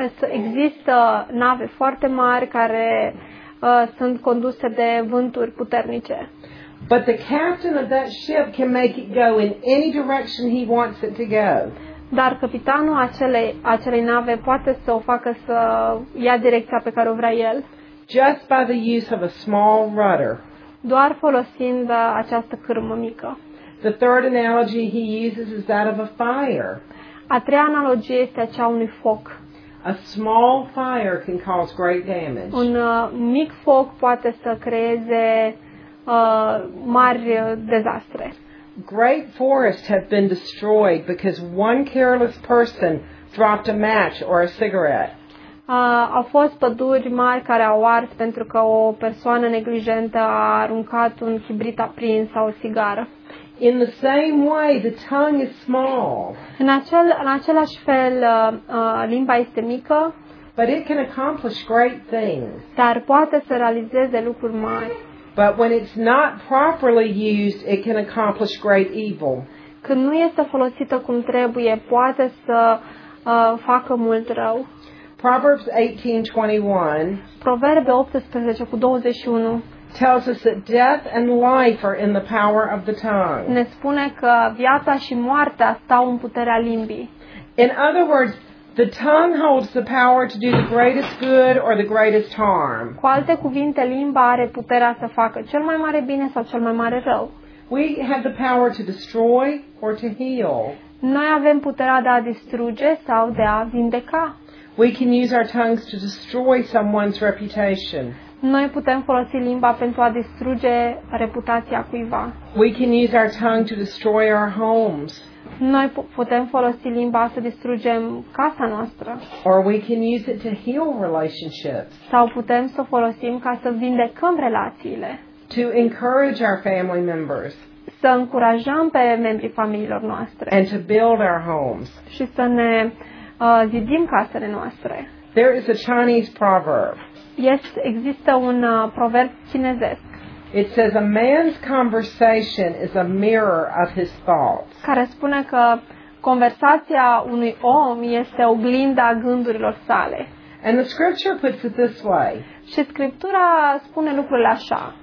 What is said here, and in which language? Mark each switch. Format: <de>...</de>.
<ro>Există nave foarte mari care sunt conduse de vânturi puternice.</ro> <en>But the captain of that ship can make it go in any direction he wants it to go.</en> <ro>Dar capitanul acelei nave poate să o facă să ia direcția pe care o vrea el.</ro> <en>Just by the use of a small rudder.</en> <ro>Doar folosind această cârmă mică.</ro> <en>The third analogy he uses is that of a fire.</en> <ro>A treia analogie este aceea unui foc.</ro> <en>A small fire can cause great damage.</en> <ro>Un mic foc poate să creeze mari dezastre.</ro> <en>Great forests have been destroyed because one careless person dropped a match or a cigarette.</en> <ro>Au fost păduri mari care au ars pentru că o persoană neglijentă a aruncat un chibrit aprins sau o țigară.</ro> <en>In the same way, the tongue is small.</en> <ro>În același fel, limba este mică.</ro> <en>But it can accomplish great things.</en> <ro>Dar poate să realizeze lucruri mari.</ro> <en>But when it's not properly used, it can accomplish great evil.</en> <ro>Când nu este folosită cum trebuie, poate să facă mult rău.</ro> <en>Proverbs 18:21.</en> <ro>Proverbe 18:21.</ro> <en>Tells us that death and life are in the power of the tongue.</en> <ro>Ne spune că viața și moartea stau în puterea limbii.</ro> <en>In other words, the tongue holds the power to do the greatest good or the greatest harm.</en> <ro>Cu alte cuvinte, limba are puterea să facă cel mai mare bine sau cel mai mare rău.</ro> <en>We have the power to destroy or to heal.</en> <ro>Noi avem puterea de a distruge sau de a vindeca.</ro> <en>We can use our tongues to destroy someone's reputation.</en> <ro>Noi putem folosi limba pentru a distruge reputația cuiva.</ro> <en>We can use our tongue to destroy our homes.</en> <ro>Noi putem folosi limba să distrugem casa noastră.</ro> <en>Or we can use it to heal relationships.</en> <ro>Sau putem să folosim ca să vindecăm relațiile.</ro> <en>To encourage our family members.</en> <ro>Să încurajăm pe membrii familiilor noastre.</ro> <en>And to build our homes.</en> <ro>Și să ne zidim casele noastre.</ro> <en>There is a Chinese proverb.</en> <ro>Există un proverb chinezesc.</ro> <en>It says a man's conversation is a mirror of his thoughts.</en> <ro>Care spune că conversația unui om este oglinda gândurilor sale.</ro> <en>And the scripture puts it this way.</en> <ro>Și scriptura spune lucrurile așa.</ro>